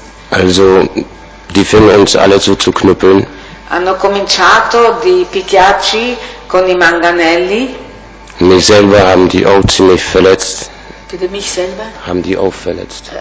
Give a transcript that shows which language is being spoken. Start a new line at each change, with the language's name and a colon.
German: Also, die fingen uns alle so zu knüppeln.
Italian: Hanno cominciato di picchiarci con i manganelli.
German: Mich selber haben die auch ziemlich verletzt. Bitte mich selber? Haben die auch verletzt.